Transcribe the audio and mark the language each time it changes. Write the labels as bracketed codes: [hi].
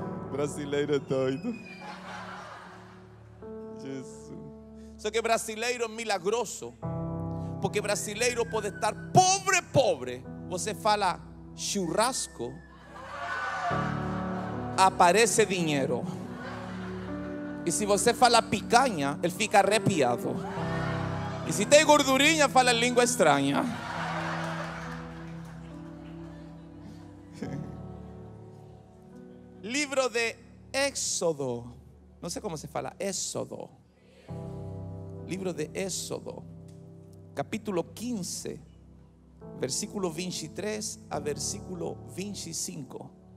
[pt] Brasileiro doido. Só que brasileiro é milagroso. Porque brasileiro pode estar pobre, pobre. Você fala, churrasco aparece dinero. E se você fala picanha, ele fica arrepiado. E se tem gordurinha, fala língua estranha. [es] Libro de Éxodo. [pt] Não sei como se fala Éxodo. [es] Libro de Éxodo, capítulo 15, versículo 23 a versículo 25.